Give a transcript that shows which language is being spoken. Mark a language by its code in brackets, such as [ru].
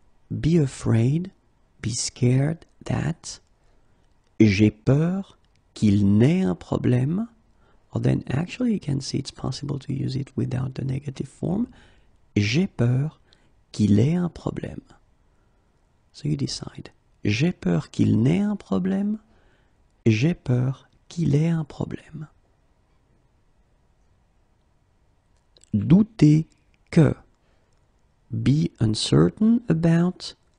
[en] Be afraid, be scared that. [fr] J'ai peur qu'il n'ait un problème. [en] Well, then actually you can see it's possible to use it without the negative form. [fr] J'ai peur qu'il ait un problème. [en] So you decide. [fr] J'ai peur qu'il n'ait un problème. J'ai peur qu'il ait un problème. Douter que. [en] Be uncertain about.